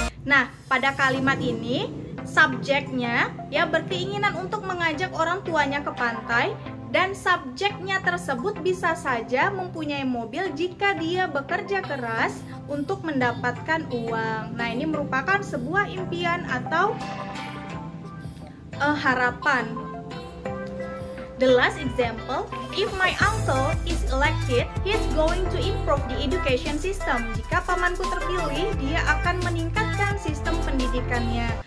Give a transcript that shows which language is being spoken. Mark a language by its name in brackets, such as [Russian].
[Indonesian] Nah, pada kalimat ini, subjeknya ya berkeinginan untuk mengajak orang tuanya ke pantai, dan subjeknya tersebut bisa saja mempunyai mobil jika dia bekerja keras untuk mendapatkan uang. Nah, ini merupakan sebuah impian atau harapan. [English] The last example, if my uncle is elected, he's going to improve the education system. [Indonesian] Jika pamanku terpilih, dia akan meningkatkan sistem pendidikannya.